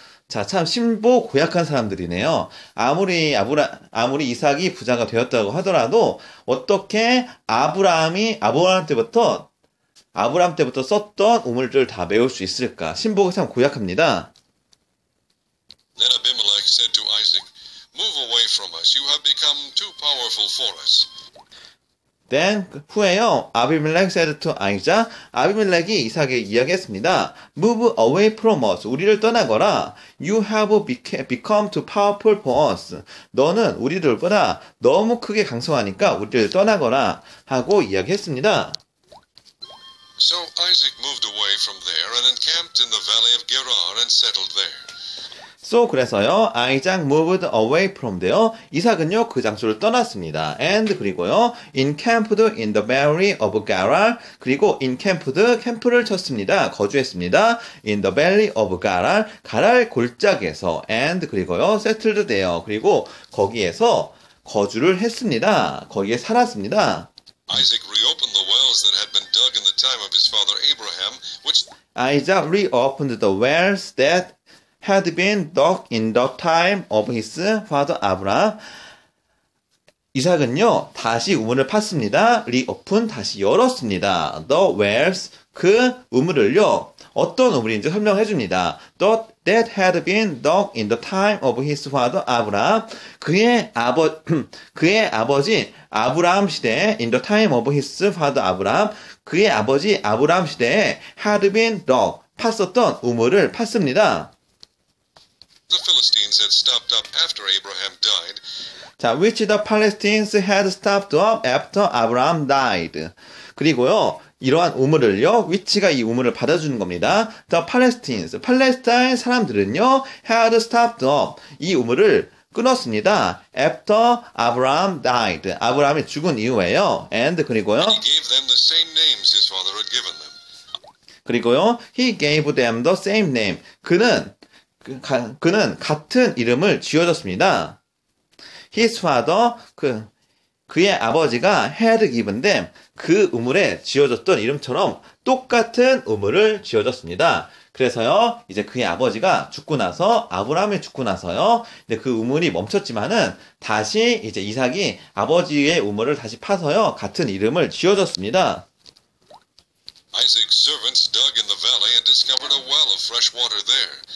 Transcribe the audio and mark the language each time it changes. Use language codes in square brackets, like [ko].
[ko] 자, 참, 신보 고약한 사람들이네요. 아무리 이삭이 부자가 되었다고 하더라도, 어떻게 아브라함 때부터 썼던 우물들을 다 메울 수 있을까? 신보가 참 고약합니다. [en] Then Abimelech said to Isaac, Move away from us. You have become too powerful for us. Then [ko] 후에요. [en] Abimelech said to Isaac, [ko] 아비멜렉이 이삭에게 이야기했습니다. [en] Move away from us. [ko] 우리를 떠나거라. [en] You have become too powerful for us. [ko] 너는 우리들보다 너무 크게 강성하니까 우리를 떠나거라 하고 이야기했습니다. [en] So Isaac moved away from there and encamped in the valley of Gerar and settled there. So [ko] 그래서요, [en] Isaac moved away from there. [ko] 이삭은요 그 장소를 떠났습니다. [en] And [ko] 그리고요, [en] encamped in the valley of Gerar. [ko] 그리고 [en] encamped [ko] 캠프를 쳤습니다. 거주했습니다. [en] In the valley of Gerar, [ko] 가랄 골짜기에서. [en] And [ko] 그리고요, [en] settled there. [ko] 그리고 거기에서 거주를 했습니다. 거기에 살았습니다. [en] Isaac reopened the wells that had been dug in the time of his father Abraham, which Isaac reopened the wells that had been dug in the time of his father Abraham. [ko] 이삭은요 다시 우물을 팠습니다. [en] Reopen [ko] 다시 열었습니다. [en] The wells [ko] 그 우물을요 어떤 우물인지 설명해 줍니다. [en] That had been dug in the time of his father Abraham. [ko] 그의 아버지 아브라함 시대에 [en] in the time of his father Abraham [ko] 그의 아버지 아브라함 시대에 [en] had been dug [ko] 팠었던 우물을 팠습니다. [en] The Philistines had stopped up after Abraham died. 자, which the Palestinians had stopped up after Abraham died. [ko] 그리고요. 이러한 우물을요, 위치가 이 우물을 받아주는 겁니다. [en] The Palestinians, [ko] 팔레스타인 사람들은요, [en] had stopped up. [ko] 이 우물을 끊었습니다. [en] After Abraham died. [ko] 아브라함이 죽은 이후에요. And 그리고요. [en] He gave them the same names his father had given them. [ko] 그리고요, [en] he gave them the same name. [ko] 그는 같은 이름을 지어줬습니다. [en] His father, [ko] 그의 아버지가 [en] had given them [ko] 그 우물에 지어졌던 이름처럼 똑같은 우물을 지어졌습니다. 그래서요, 이제 그의 아버지가 죽고 나서, 아브라함이 죽고 나서요, 이제 그 우물이 멈췄지만은 다시 이제 이삭이 아버지의 우물을 다시 파서요, 같은 이름을 지어줬습니다. [en] Isaac's servants dug in the valley and discovered a well of fresh water there.